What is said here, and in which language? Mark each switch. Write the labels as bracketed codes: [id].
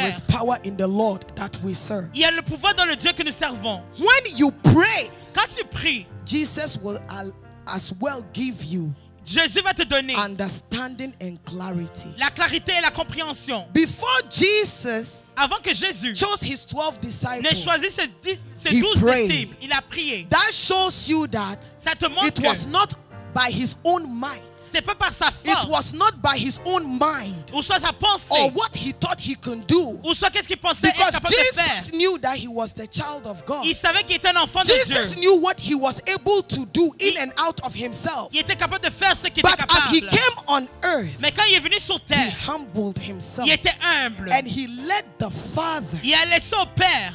[en] There is power in the Lord that we serve. [fr] Il y a le pouvoir dans le Dieu que nous servons. [en] When you pray, [fr] quand tu pries, [en] Jesus will as well give you [fr] Jésus va te donner [en] understanding and clarity. [fr] La clarité et la compréhension. [en] Before Jesus [fr] avant que Jésus [en] chose his 12 disciples, [fr] ne choisit ses 12 disciples, il a prié. [en] That shows you that [fr] ça te montre [en] it was not by his own might. [fr] C'est pas par sa force. [en] It was not by his own mind. [fr] Ou soit sa pensée. [en] Or what he thought he could do. [fr] Ou soit qu'est-ce qu'il pensait être capable [en] Jesus [fr] de faire. [en] Because Jesus knew that he was the child of God. [fr] Il savait qu'il était un enfant [en] Jesus [fr] de Dieu. [en] Jesus knew what he was able to do in and out of himself. [fr] Il était capable de faire ce qu'il [en] but [fr] était capable. [en] But as he came on earth. [fr] Mais quand il est venu sur terre. [en] He humbled himself. [fr] Il était humble. [en] And he let the Father. [fr] Il a laissé au Père.